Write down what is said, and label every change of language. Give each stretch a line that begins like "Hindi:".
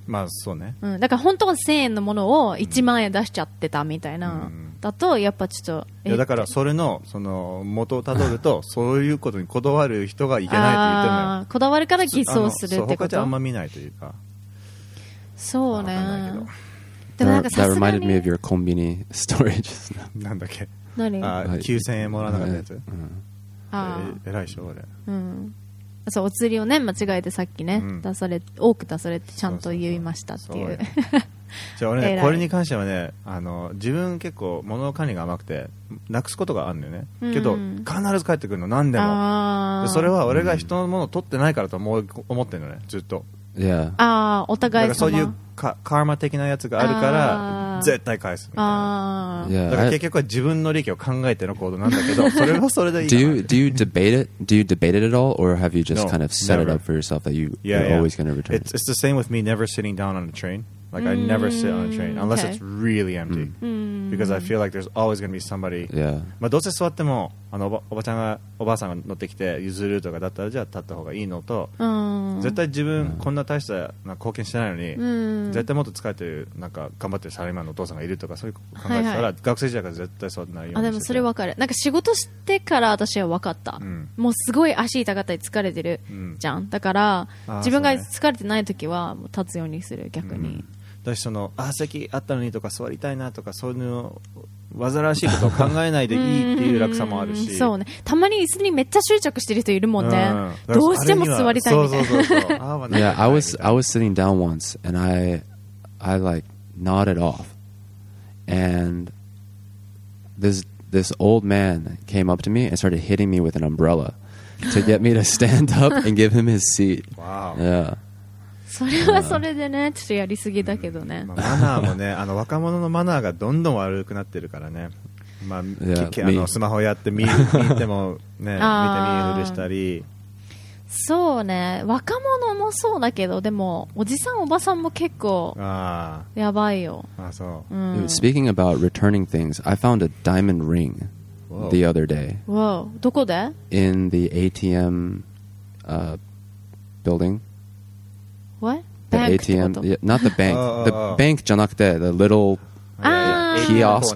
Japanese: まあそうね、うん、だから本当は1000円のものを1万円出しちゃってたみたいな、うん、だとやっぱちょっと、いやだからそれ その元をたどるとそういうことにこだわる人がいけないって言ってるのよ、こだわるから偽装するってこと、他じゃあんま見ないというか、そうね、でもなんかさすがに
English: That reminded me of your combini story just now.
Japanese: なんだっけ、何、あ9000円もらわなかったやつ、あ、偉いでしょ俺、うん、そうお釣りをね間違えてさっきね、うん、出され多く出されてちゃんと言いましたっていう、じゃあ俺ねこれに関してはね、あの自分結構物の管理が甘くてなくすことがあるんだよね、うん、けど必ず帰ってくるの何でも、あそれは俺が人のものを取ってないからと思ってるのね、ずっと、
English: yeah.
Japanese: あお互い様、だからそういうカーマ的なやつがあるから絶対返すみたいな、あだから結局は自分の利益を考えての行動なんだけどそれはそれでいい、
English: do you debate it? Do you debate it at all? Or have you just no, kind of set、never. it up for yourself that you, yeah, you're always、yeah. going to return it? It's the same with me never sitting down on a train. Like I never sit on a train unless、okay. it's really empty、 mm. because I feel like there's always going to be somebody、 yeah.
Japanese: まあどうせ座ってもあの おばあさんが乗ってきて譲るとかだったらじゃあ立った方がいいのと、絶対自分こんな大したな貢献してないのに、絶対もっと疲れてるなんか頑張ってるサラリーマンのお父さんがいるとかそういう考えたら、はいはい、学生時代から絶対座ってないように、あでもそれ分かる、なんか仕事してから私は分かった、うん、もうすごい足痛かったり疲れてるじゃん、うん、だから自分が疲れてない時はもう立つようにする、逆に、うん、私その席あったのにとか座りたいなとかそういうの煩わしいことを考えないでいいっていう楽さもあるし、うそうね、たまに椅子にめっちゃ執着してる人いるもんね、うん、どうしても座りたいみたいな。そうそうそうそう。
English: Yeah, I was sitting down once and I like nodded off and this old man came up to me and started hitting me with an umbrella to get me to stand up and give him his seat. Wow. Yeah.
Japanese: それはそれでね、ちょっとやりすぎだけどね、まあ、マナーもね、あの若者のマナーがどんどん悪くなってるからね、まあ、yeah, あのスマホやって見てもね、見て見るでしたり、そうね、若者もそうだけど、でもおじさんおばさんも結構やばいよ。ああそう、う
English: ん、Speaking about returning things, I found a diamond ring the other day. Whoa.
Japanese: どこで?
English: In the ATM building What? The ATM? Yeah, not the bank. The bank
Japanese: じゃなくて
English: the little kiosk